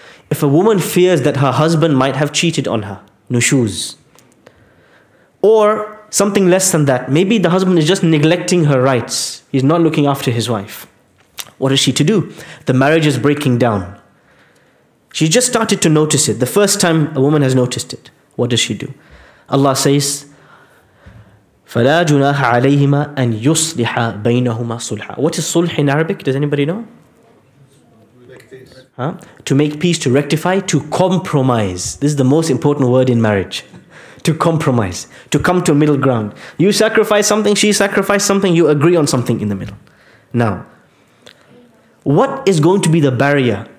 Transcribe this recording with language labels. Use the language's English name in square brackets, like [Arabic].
[English] If a woman fears that her husband might have cheated on her, nushuz, or something less than that, maybe the husband is just neglecting her rights, he's not looking after his wife, what is she to do? The marriage is breaking down. She just started to notice it. The first time a woman has noticed it, what does she do? [Arabic] Allah says, فَلَا جُنَاحَ عَلَيْهِمَا أَنْ يُصْلِحَ بَيْنَهُمَا صُلْحًا. [English] What is صُلْح in Arabic? Does anybody know? Huh? To make peace, to rectify, to compromise. This is the most important word in marriage. To compromise, to come to middle ground. You sacrifice something, she sacrificed something, you agree on something in the middle. Now, what is going to be the barrier?